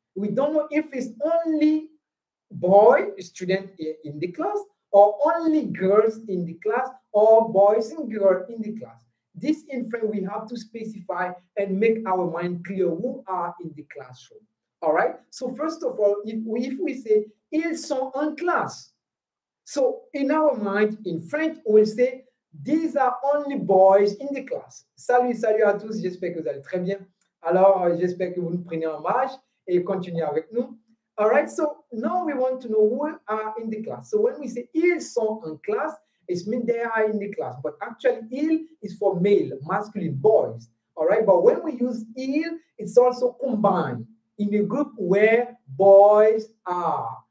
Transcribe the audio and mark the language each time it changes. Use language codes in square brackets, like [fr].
[en] We don't know if it's only boy student in the class, or only girls in the class, or boys and girls in the class. This in French, we have to specify and make our mind clear who are in the classroom, all right? So first of all, if we say, [fr] ils sont en classe. [en] So in our mind, in French, we'll say, these are only boys in the class. [fr] Salut, salut à tous, j'espère que vous allez très bien. Alors, j'espère que vous nous prenez en marche et continuez avec nous. [en] All right, so now we want to know who are in the class. So when we say [fr] ils sont en classe, [en] it means they are in the class. But actually, il is for male, masculine, boys. All right, but when we use il, it's also combined in a group where boys are.